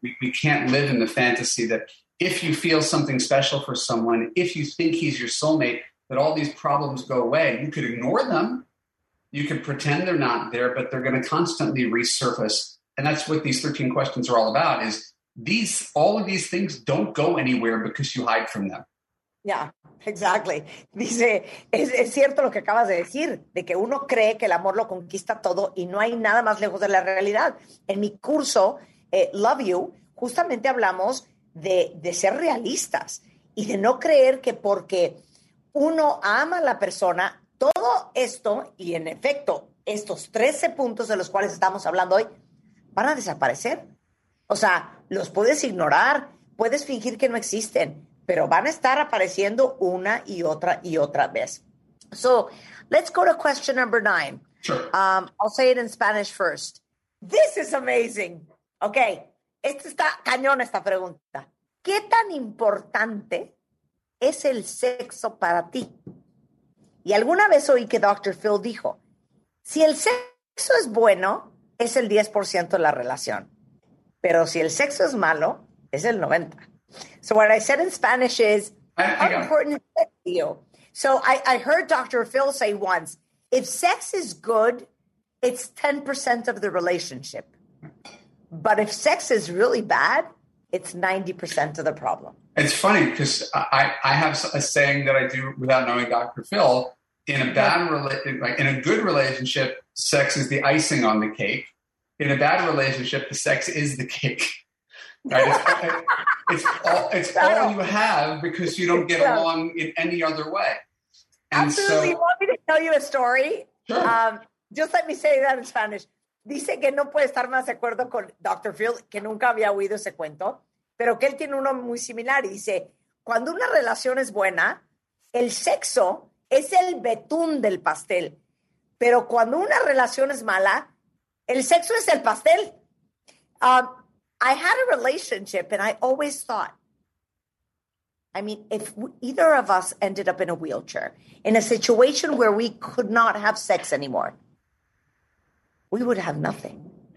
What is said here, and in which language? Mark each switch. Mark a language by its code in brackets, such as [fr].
[en] We can't live in the fantasy that if you feel something special for someone, if you think he's your soulmate, that all these problems go away. You could ignore them. You could pretend they're not there, but they're going to constantly resurface. And that's what these 13 questions are all about, is these, all of these things don't go anywhere because you hide from them. Yeah, exactly. [es] Dice, es cierto lo que acabas de decir, de que uno cree que el amor lo conquista todo y no hay nada más lejos de la realidad. En mi curso, Love You, justamente hablamos de ser realistas y de no creer que porque uno ama a la persona. Todo esto, y en efecto, estos 13 puntos de los cuales estamos hablando hoy, van a desaparecer. O sea, los puedes ignorar, puedes fingir que no existen, pero van a estar apareciendo una y otra vez. [en] So, let's go to question number 9. Sure. I'll say it in Spanish first. This is amazing. [es] Okay, esta está cañón esta pregunta. ¿Qué tan importante es el sexo para ti? Y alguna vez oí que Dr. Phil dijo, si el sexo es bueno, es el 10% de la relación. Pero si el sexo es malo, es el 90%. [en] So what I said in Spanish is, how important is sex to you? So I heard Dr. Phil say once, if sex is good, it's 10% of the relationship. But if sex is really bad, it's 90% of the problem. It's funny because I have a saying that I do without knowing Dr. Phil. In a bad in a good relationship, sex is the icing on the cake. In a bad relationship, the sex is the cake. Right? It's all you have because you don't get along in any other way. And absolutely. So, you want me to tell you a story? Sure. Just let me say that in Spanish. [es] Dice que no puede estar más de acuerdo con Dr. Phil, que nunca había oído ese cuento, pero que él tiene uno muy similar. Y dice, cuando una relación es buena, el sexo es el betún del pastel. Pero cuando una relación es mala, el sexo es el pastel. [en] I had a relationship and I always thought, I mean, if either of us ended up in a wheelchair, in a situation where we could not have sex anymore, we would have nothing.